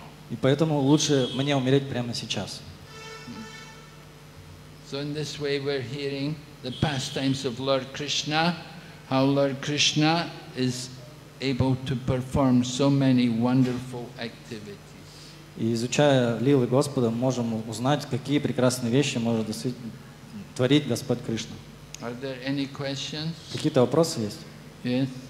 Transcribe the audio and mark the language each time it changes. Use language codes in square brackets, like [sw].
[ru] И поэтому лучше мне умереть прямо сейчас. [en] So in this way we're hearing the pastimes of Lord Krishna, how Lord Krishna is able to perform so many wonderful activities. [ru] И изучая лилы Господа, можем узнать, какие прекрасные вещи может действительно творить Господь Кришна. [en] Are there any questions? [ru] Какие-то вопросы есть? [en] Yes.